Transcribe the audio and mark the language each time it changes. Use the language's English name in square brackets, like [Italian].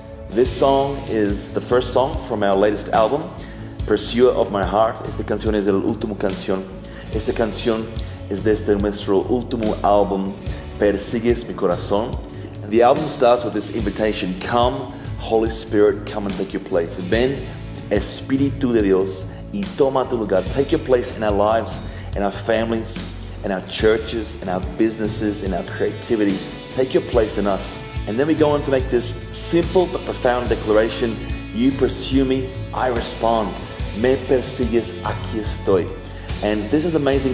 [English] This song is the first song from our latest album, Pursuer of My Heart. [Spanish] Esta canción es el último canción. Esta canción es desde nuestro último álbum, Persigues mi corazón. [English] The album starts with this invitation, come, Holy Spirit, come and take your place. [Spanish] Ven Espíritu de Dios y toma tu lugar. [English] Take your place in our lives, in our families, in our churches, in our businesses, in our creativity. Take your place in us. And then we go on to make this simple but profound declaration. You pursue me, I respond. [Spanish] Me persigues, aquí estoy. [English] And this is amazing.